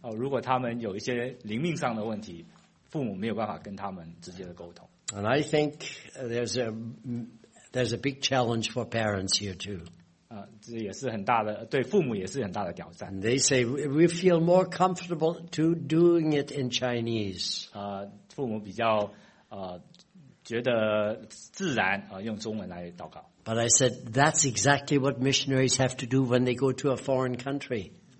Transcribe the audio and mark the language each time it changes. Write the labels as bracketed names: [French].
[Chinese] 如果他们有一些灵命上的问题，父母没有办法跟他们直接的沟通。 [English] And I think there's a big challenge for parents here too. [Chinese] 这也是很大的，对父母也是很大的挑战。 [English] And they say we feel more comfortable to doing it in Chinese. [Chinese] 父母比较觉得自然用中文来祷告。 [English] But I said that's exactly what missionaries have to do when they go to a foreign country.